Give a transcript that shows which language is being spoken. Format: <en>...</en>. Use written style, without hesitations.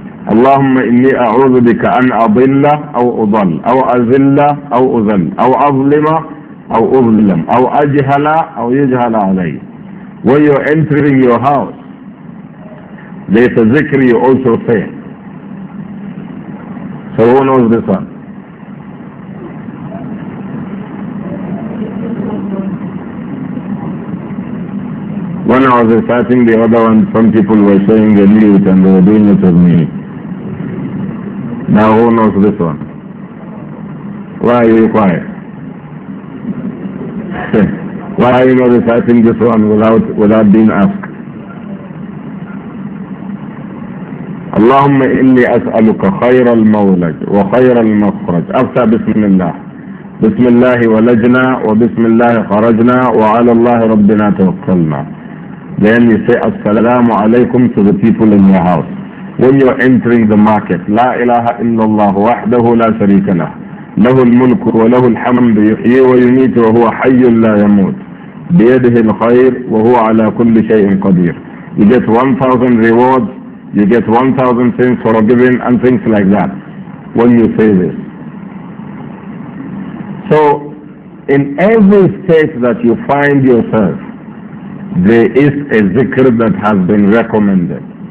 <ar>اللهم إني أعوذ بك أن أضل أو أضل أو أذل أو أذل أو أظلم أو أظلم أو أجهل أو يجهل علي.</ar> <en>When you're entering your house, there's a zikr you also say. So who knows this one? When I was reciting the other one, some people were saying they knew it and they were doing it with me. Now who knows this one? Why are you quiet? Why are you not reciting this one without being asked?</en> <ar>اللهم إني أسألك خير المولد وخير المخرج. أفتح بسم الله. بسم الله ولجنا وبسم الله خرجنا وعلى الله ربنا توكلنا.</ar> <en>Then you say Assalamu alaikum to the people in your house. When you are entering the market,</en> <ar>لا إله إلا الله وحده لا شريك له. له الملك وله الحمد يحيي ويميت وهو حي لا يموت. بيده الخير وهو على كل شيء قدير.</ar> <en>You get 1,000 rewards, you get 1,000 things for a given and things like that when you say this. So in every state that you find yourself, there is a zikr that has been recommended.</en>